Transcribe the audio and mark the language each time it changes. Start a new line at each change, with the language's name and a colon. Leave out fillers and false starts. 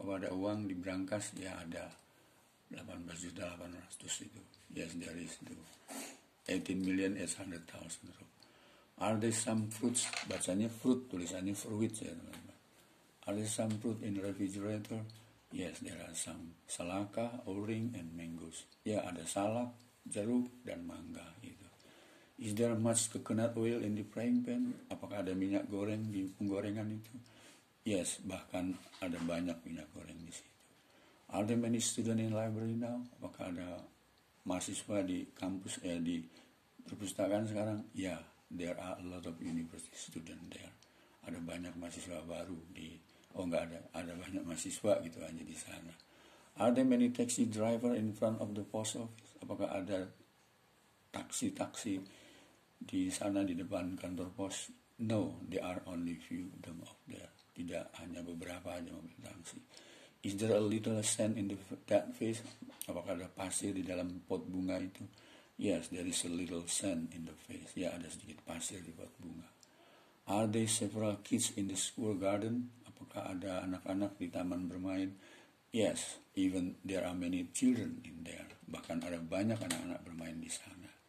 Indonesian: Apa ada uang di brankas? Ya ada, 18.800 itu.
English: Yes, there is
Indonesian: itu.
English: 18,800,000. Are there some fruits?
Indonesian: Bacanya fruit, tulisannya fruit ya teman-teman.
English: Are there some fruit in the refrigerator? Yes, there are some salaka, orange, and mangoes.
Indonesian: Ya, ada salak, jeruk, dan mangga gitu.
English: Is there much coconut oil in the frying pan?
Indonesian: Apakah ada minyak goreng di penggorengan itu? Yes, bahkan ada banyak minyak goreng di situ.
English: Are there many students in library now?
Indonesian: Apakah ada mahasiswa di kampus di perpustakaan sekarang?
English: Ya, there are a lot of university students there.
Indonesian: Ada banyak mahasiswa baru di ada banyak mahasiswa gitu aja di sana.
English: Are there many taxi driver in front of the post office?
Indonesian: Apakah ada taksi-taksi di sana di depan kantor pos?
English: No, there are only few of them up there.
Indonesian: Tidak hanya beberapa aja mobil taksi.
English: Is there a little sand in that face?
Indonesian: Apakah ada pasir di dalam pot bunga itu?
English: Yes, there is a little sand in the face.
Indonesian: Ya, ada sedikit pasir di pot bunga.
English: Are there several kids in the school garden?
Indonesian: Apakah ada anak-anak di taman bermain?
English: Yes, even there are many children in there.
Indonesian: Bahkan ada banyak anak-anak bermain di sana.